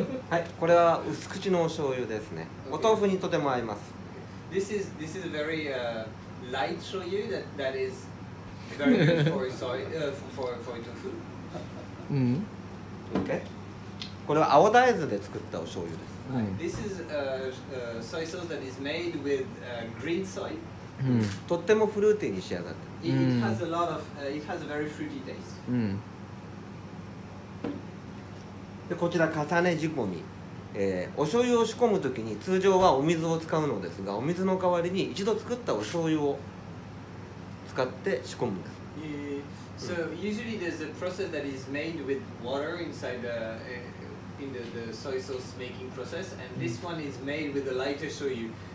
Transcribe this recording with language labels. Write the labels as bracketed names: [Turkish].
[Japanese] はい、これは薄口のお醤油ですね。お豆腐にとても合います。 [English] This is a very light shoyu that is very good for tofu. うん。Okay。 [Japanese] これは青大豆で作ったお醤油です。 [English] This is soy sauce that is made with green soy。 [Japanese] とってもフルーティーに仕上がって [English] る。It has a lot of, it has a very fruity taste. [Japanese] でこちら重ね仕込み、お醤油を仕込むときに通常はお水を使うのですが、お水の代わりに一度作ったお醤油を使って仕込むんです。 [English] So usually there's a process that is made with water inside the, in the soy sauce making process, and this one is made with a lighter shoyu.